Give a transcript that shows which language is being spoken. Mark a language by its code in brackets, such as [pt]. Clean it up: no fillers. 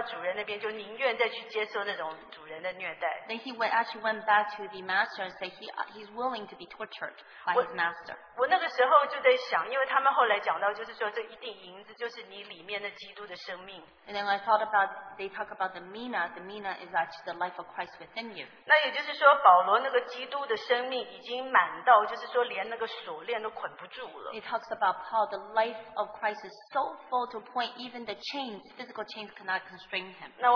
[zh] 他后来就回到他主人那边，就宁愿再去接受那种主人的虐待。 [en] Then he actually went back to the master and said he's willing to be tortured by his master. [zh] 我那个时候就在想，因为他们后来讲到，就是说这一锭银子就是你里面的基督的生命。 [en] And then I thought about they talk about the mina. The mina is actually the life of Christ within you. [zh] 那也就是说，保罗那个基督的生命已经满到，就是说连那个锁链都捆不住了。 [en] He talks about Paul. The life of Christ is so full to point even the chains, physical chains cannot constrain him.